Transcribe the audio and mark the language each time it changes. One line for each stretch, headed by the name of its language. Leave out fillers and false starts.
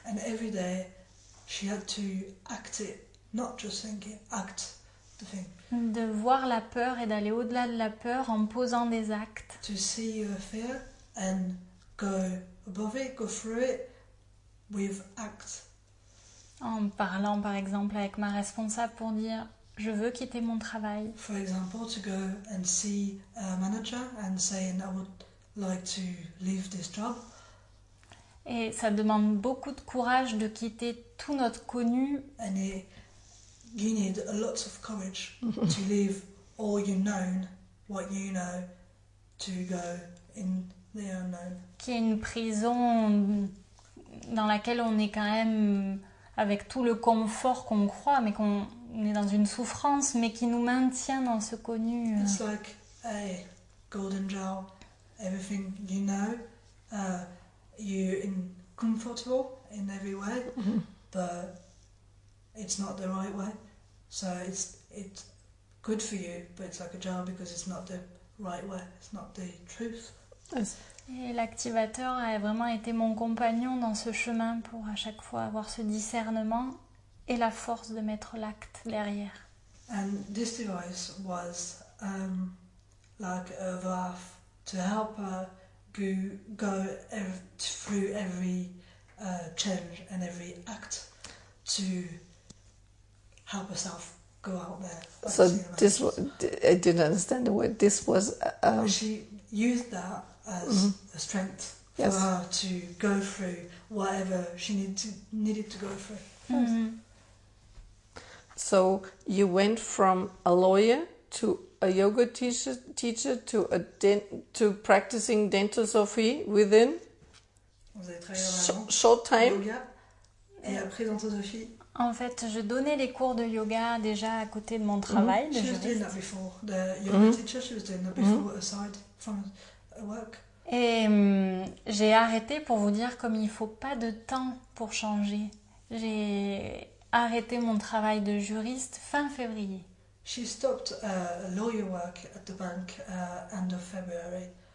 English: And every day, she had to act it, not just think it, act the thing.
French: De voir la peur et d'aller au-delà de la peur en posant des actes.
English: To see your fear and go above it, go through it with act.
French: En parlant, par exemple, avec ma responsable pour dire je veux quitter mon travail.
English: For example, to go and see a manager and say I would like to leave this job.
French: Et ça demande beaucoup de courage de quitter tout notre connu.
English: And you need a lot of courage to leave all you know, what you know, to go in the unknown.
French: Qui est une prison dans laquelle on est quand même avec tout le confort qu'on croit, mais qu'on est dans une souffrance, mais qui nous maintient dans ce connu.
English: It's like a golden jar. Everything you know, you're in comfortable in every way, but it's not the right way. So it's good for you, but it's like a jar because it's not the right way. It's not the truth. Yes.
French: Et l'activateur a vraiment été mon compagnon dans ce chemin pour à chaque fois avoir ce discernement et la force de mettre l'acte derrière.
English: And this device was like a valve to help her go through every change and every act to help herself go out there. So this I didn't understand the word. This was she used that as a strength for her to go through whatever she needed to go through. Mm-hmm. So you went from a lawyer to a yoga teacher to a to practicing dentosophy within short time.
French: Yoga et après dentosophie. En fait, je donnais les cours de yoga déjà à côté de mon travail.
English: She was doing that before the yoga teacher. She was doing that before aside from work.
French: Et j'ai arrêté pour vous dire comme il faut pas de temps pour changer. J'ai arrêté mon travail de juriste fin février.
English: She stopped lawyer work at the bank end of February.